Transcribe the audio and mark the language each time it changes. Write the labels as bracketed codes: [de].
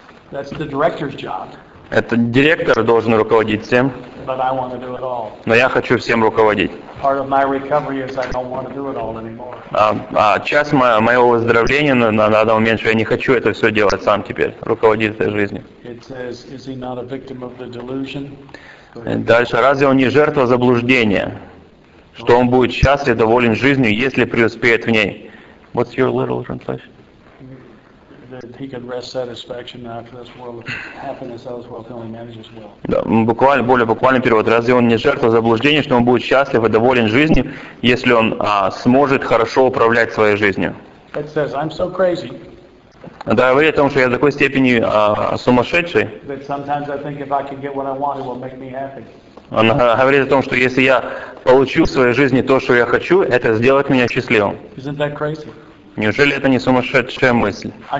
[en] That's the director's job. [ru] Это директор должен руководить всем. [en] But I want to do it all. [ru] Но я хочу всем руководить. [en] Part of my recovery is I don't want to do it all anymore. [ru] Часть моего выздоровления на данный момент, что я не хочу это все делать сам теперь, руководить этой жизнью. [en] It says, is he not a victim of the delusion? [ru] Дальше, разве он не жертва заблуждения, что он будет счастлив, доволен жизнью, если преуспеет в ней? [en] What's your little translation? That he could rest satisfaction after this world of happiness as well till he manages well. [ru] Да, буквально, более буквальный перевод. Разве он не жертва заблуждения, что он будет счастлив и доволен жизнью, если он сможет хорошо управлять своей жизнью? [en] It says, I'm so crazy. [ru] Да, говорит о том, что я в такой степени сумасшедший. [en] That sometimes I think if I can get what I want, it will make me happy. [ru] Он говорит о том, что если я получу в своей жизни то, что я хочу, это сделает меня счастливым. [en] Isn't that crazy? [ru] Неужели это не сумасшедшая мысль?